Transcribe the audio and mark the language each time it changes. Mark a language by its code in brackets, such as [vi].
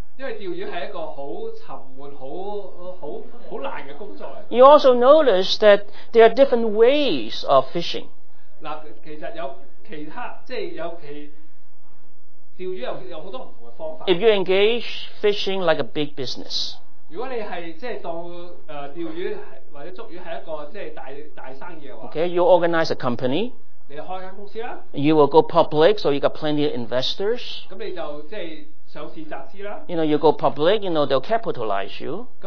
[zh] 因为钓鱼是一个很沉闷、很难的工作。 [en] You also notice that there are different ways of fishing. [zh] 其实有其他，即是有其钓鱼有很多不同的方法。 [en] If you engage fishing like a big business, [zh] 如果你是即是当钓鱼或者捉鱼是一个即是大生意的话 [en] ，Okay, you organize a company. You will go public, so you got plenty of investors. You know, you go public, you know, they'll capitalize you.